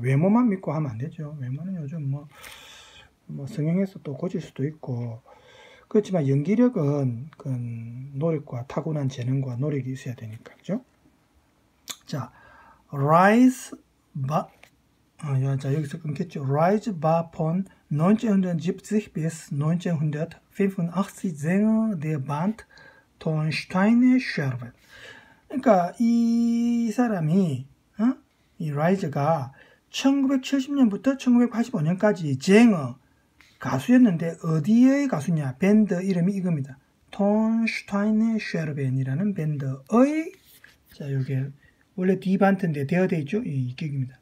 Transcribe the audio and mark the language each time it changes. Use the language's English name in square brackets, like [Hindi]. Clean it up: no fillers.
[Korean] 외모만 믿고 하면 안 되죠. 외모는 요즘 뭐, 성형해서 또 고칠 수도 있고, 그렇지만 연기력은, 그 노력과 타고난 재능과 노력이 있어야 되니까, 그죠? 자. Rise, 아, 야, 자, 여기서 끊겠죠. [German] Rise war von 1970 bis 1985 Sänger der Band Tonsteine Scherben. [Korean] 그러니까 이 사람이 이 Rise가 1970년부터 1985년까지 쟁어 가수였는데 어디의 가수냐? 밴드 이름이 이겁니다. 톤슈타인의 쉐르벤이라는 밴드의 자 이게 원래 디반트인데 되어돼 있죠? 이 기억입니다.